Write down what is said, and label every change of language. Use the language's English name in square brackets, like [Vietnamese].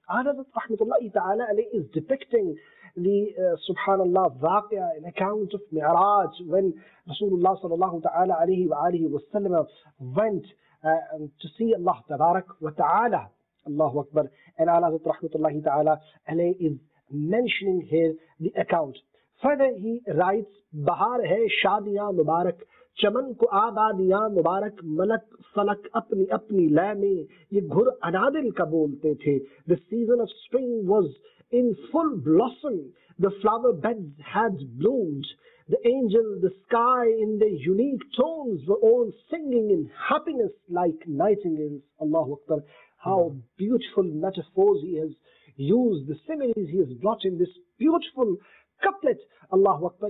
[English] Ali Hazrat Rahmatullahi Ta'ala Alayhi is depicting the subhanallah waqia, an account of Mi'raj when Rasulullah sallallahu ta'ala alayhi wa alihi wa sallam went to see Allah tabarak wa ta'ala. Allahu Akbar. And Ali Hazrat Rahmatullahi Ta'ala Alayhi is mentioning here the account. Further he writes, [Urdu] Bahar hai shadiya mubarak چمن کو آبادیاں مبارک ملک فلک اپنی اپنی لے میں یہ گھر انادل کا بولتے تھے. [English] The season of spring was in full blossom. The flower beds had bloomed. The angels, the sky in their unique tones were all singing in happiness like nightingales. Allahu Akbar. How beautiful metaphors he has used, the similes he has brought in this beautiful couplet. Allahu Akbar.